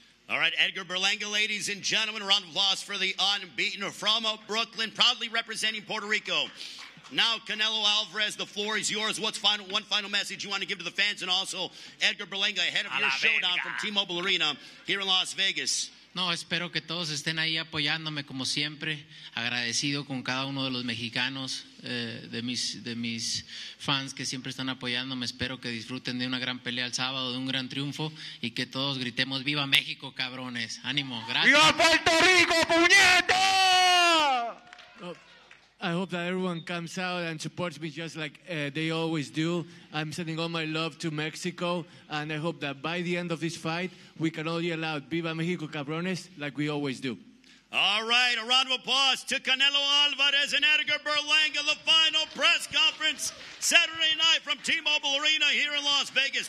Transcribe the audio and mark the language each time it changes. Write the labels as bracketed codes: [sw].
[en] All right, Edgar Berlanga, ladies and gentlemen, a round of applause for the unbeaten from Brooklyn, proudly representing Puerto Rico. Now, Canelo Alvarez, the floor is yours. One final message you want to give to the fans and also Edgar Berlanga ahead of your showdown from T-Mobile Arena here in Las Vegas? [es] No, espero que todos estén ahí apoyándome como siempre, agradecido con cada uno de los mexicanos, de mis fans que siempre están apoyándome. Espero que disfruten de una gran pelea el sábado, de un gran triunfo y que todos gritemos ¡Viva México, cabrones! ¡Ánimo! ¡Gracias! ¡Viva Puerto Rico, puñeta! [en] I hope that everyone comes out and supports me just like they always do. I'm sending all my love to Mexico, and I hope that by the end of this fight, we can all yell out, Viva Mexico, cabrones, like we always do. All right, a round of applause to Canelo Alvarez and Edgar Berlanga, the final press conference Saturday night from T-Mobile Arena here in Las Vegas.